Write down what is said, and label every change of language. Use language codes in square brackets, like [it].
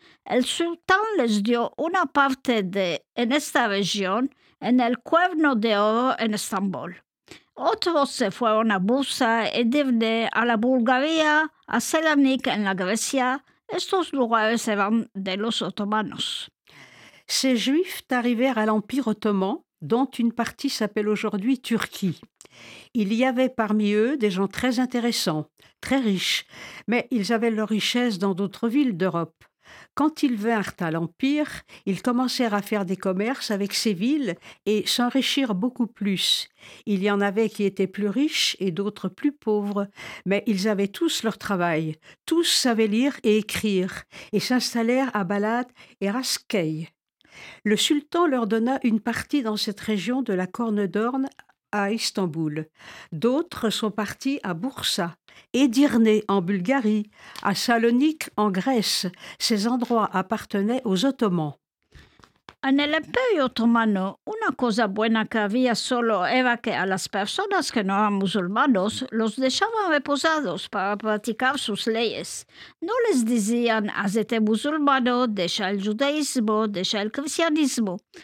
[lad] El sultán les dio una parte de en esta región, en el Cuerno de Oro en Estambul. Otros se fueron a Bursa, Edirne, a la Bulgaria, a Selanik en la Grecia. Estos lugares eran de los otomanos. [fr] Ces Juifs arrivèrent à l'Empire ottoman, dont une partie s'appelle aujourd'hui Turquie. Il y avait parmi eux des gens très intéressants, très riches, mais ils avaient leur richesse dans d'autres villes d'Europe. Quand ils vinrent à l'Empire, ils commencèrent à faire des commerces avec ces villes et s'enrichirent beaucoup plus. Il y en avait qui étaient plus riches et d'autres plus pauvres, mais ils avaient tous leur travail. Tous savaient lire et écrire et s'installèrent à Balat et Hasköy. Le sultan leur donna une partie dans cette région de la Corne d'Orne à Istanbul. D'autres sont partis à Bursa, Edirne en Bulgarie, à Salonique en Grèce. Ces endroits appartenaient aux Ottomans. [it] Nell'Impero Ottomano, [lad] una cosa buena che había solo era que a las personas que no eran musulmanos los dejaban reposados para practicar sus leyes. No les decían, hazte musulmano, deja el judaísmo, deja el cristianismo.